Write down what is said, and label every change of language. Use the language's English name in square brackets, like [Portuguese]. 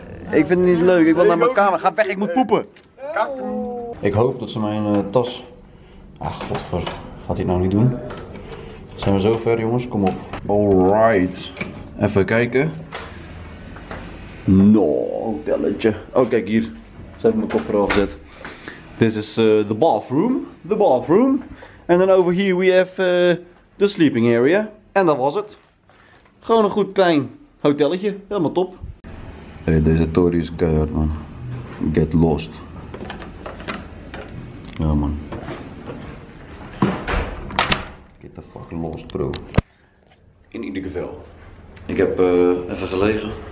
[Dutch] Ik vind het niet leuk. Ik wil naar mijn kamer. Ga weg, ik moet poepen. Ik hoop dat ze mijn tas... Ach, godver. Gaat hij nou niet doen? Zijn we zo ver, jongens? Kom op. Alright. Even kijken. No, hotelletje. Oh, kijk hier. Ze hebben mijn koffer al gezet. [English] This is the bathroom. The bathroom. And then over here we have the sleeping area. [Dutch] En dat was het. Gewoon een goed klein hotelletje. Helemaal top. Hey, deze tory is keihard, man. [English] Get lost. [Dutch] Ja, man. [English] Get the fuck lost, bro. [Dutch] In ieder geval. Ik heb even gelegen.